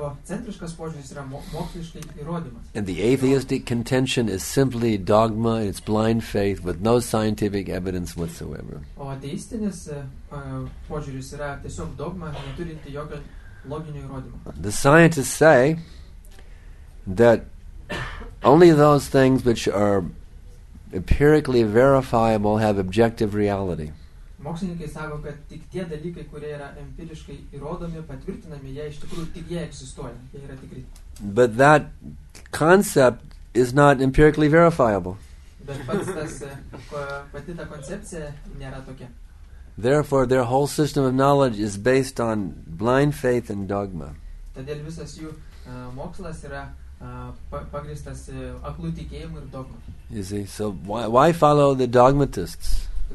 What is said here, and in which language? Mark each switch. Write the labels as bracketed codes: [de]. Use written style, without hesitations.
[en] And the atheistic contention is simply dogma, it's blind faith with no scientific evidence whatsoever. [lt] O ateistinis požiūris yra tiesiog dogma, neturinti jokio loginio įrodymo. [en] The scientists say that only those things which are empirically verifiable have objective reality. [lt] Mokslininkai sako, kad tik tie dalykai, kurie yra empiriškai įrodomi, patvirtinami, jie iš tikrųjų tik jie egzistuoja, jie yra tikri. [en] But that concept is not empirically verifiable. [lt] Bet pati ta koncepcija nėra tokia. [en] Therefore, their whole system of knowledge is based on blind faith and dogma. [lt] Todėl visas jų mokslas yra pagristas aklų tikėjimu ir dogma. [en] You see, so why follow the dogmatists?